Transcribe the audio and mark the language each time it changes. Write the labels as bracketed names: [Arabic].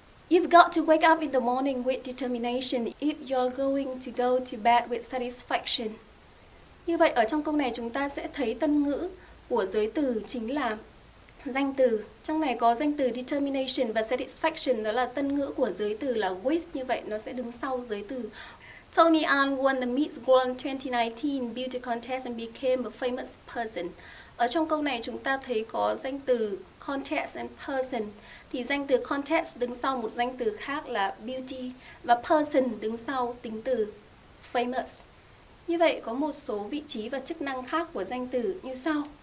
[English] You've got to wake up in the morning with determination if you're going to go to bed with satisfaction. [Vietnamese] Như vậy, ở trong câu này chúng ta sẽ thấy tân ngữ của giới từ chính là danh từ. Trong này có danh từ determination và satisfaction, đó là tân ngữ của giới từ là with. Như vậy, nó sẽ đứng sau giới từ. [English] Tony Ahn won the Miss World 2019 beauty contest and became a famous person. [Vietnamese] Ở trong câu này chúng ta thấy có danh từ contest and person. Thì danh từ contest đứng sau một danh từ khác là beauty và person đứng sau tính từ famous. Như vậy, có một số vị trí và chức năng khác của danh từ như sau.